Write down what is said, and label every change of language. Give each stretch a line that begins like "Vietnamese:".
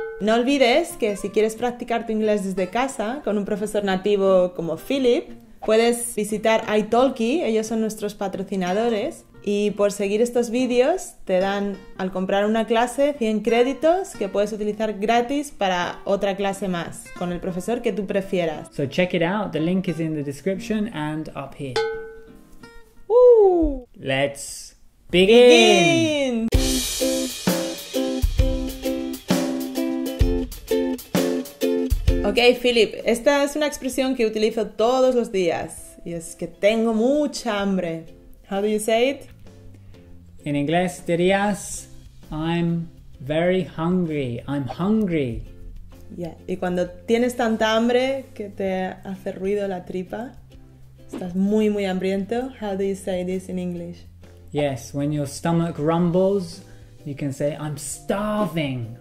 Spanish: No olvides que si quieres practicar tu inglés desde casa con un profesor nativo como Philip, puedes visitar italki, ellos son nuestros patrocinadores, y por seguir estos vídeos te dan, al comprar una clase, 100 créditos que puedes utilizar gratis para otra clase más, con el profesor que tú prefieras.
English: So check it out, the link is in the description and up here. Woo! Let's begin!
Spanish: Ok, Philip, esta es una expresión que utilizo todos los días y es que tengo mucha hambre.
English: How do you say it?
Spanish: En inglés dirías,
English: I'm very hungry, I'm hungry. Yeah.
Spanish: Y cuando tienes tanta hambre que te hace ruido la tripa, estás muy muy hambriento.
English: How do you say this in English? Yes, when your stomach rumbles, you can say, I'm starving.